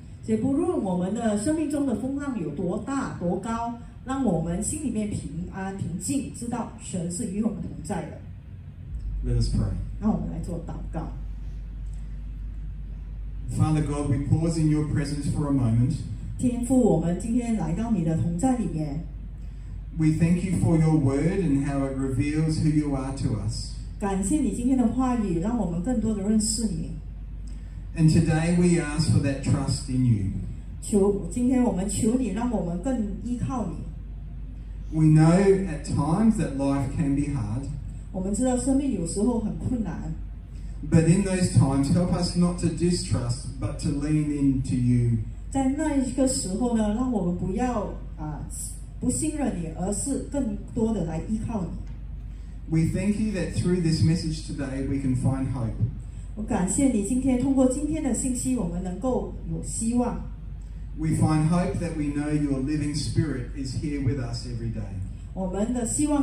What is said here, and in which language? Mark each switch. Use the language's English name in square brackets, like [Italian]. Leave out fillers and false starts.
[Chinese] 所以不论我们的生命中的风浪有多大多高，让我们心里面平安平静，知道神是与我们同在的。 [English] Let us pray. [Chinese] 那我们来做祷告。 [English] Father God, we pause in your presence for a moment. [Chinese] 天父，我们今天来到你的同在里面。 [English] We thank you for your word and how it reveals who you are to us. [Chinese] 感谢你今天的话语，让我们更多的认识你。 [English] And today we ask for that trust in you. [Chinese] 今天我们求你让我们更依靠你。 [English] We know at times that life can be hard. [Chinese] 我们知道生命有时候很困难。 [English] But in those times, help us not to distrust, but to lean into you. [Chinese] 在那一个时候呢，让我们不要不信任你，而是更多的来依靠你。 [English] We thank you that through this message today, we can find hope. [Chinese] 我感谢你今天通过今天的信息，我们能够有希望。 [English] We find hope that we know your living spirit is here with us every day.